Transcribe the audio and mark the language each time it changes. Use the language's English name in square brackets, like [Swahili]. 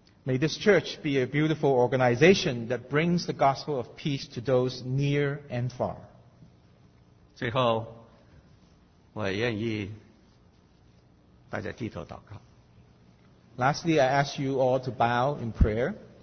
[English] May this church be a beautiful organization that brings the gospel of peace to those near and far. [Chinese] 最后，我愿意大家低头祷告。 [English] Lastly, I ask you all to bow in prayer.